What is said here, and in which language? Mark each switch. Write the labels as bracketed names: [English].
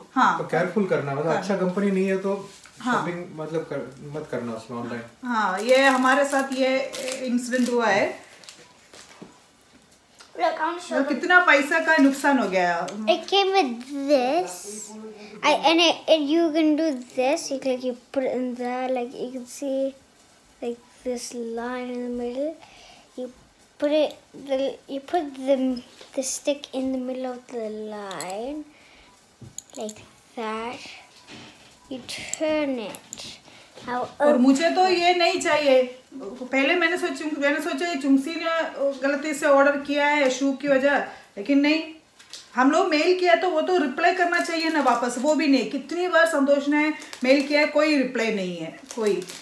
[Hindi] हाँ तो केयरफुल करना, मतलब अच्छा कंपनी नहीं है तो शॉपिंग मतलब मत करना उसमें ऑनलाइन। हाँ ये हमारे साथ ये इंसिडेंट हुआ है। कितना पैसा का नुकसान हो गया. [English] It came with this. And you can do this. You can, like, you put it in there. Like you can see, like this line in the middle. You put the stick in the middle of the line, like that. You turn it. [Hindi] और मुझे तो ये नहीं चाहिए. पहले मैंने सोचा ये चुंगसी ने गलती से ऑर्डर किया है शू की वजह, लेकिन नहीं, हम लोग मेल किया तो वो तो रिप्लाई करना चाहिए ना वापस, वो भी नहीं. कितनी बार संतोष ने मेल किया है, कोई रिप्लाई नहीं है कोई.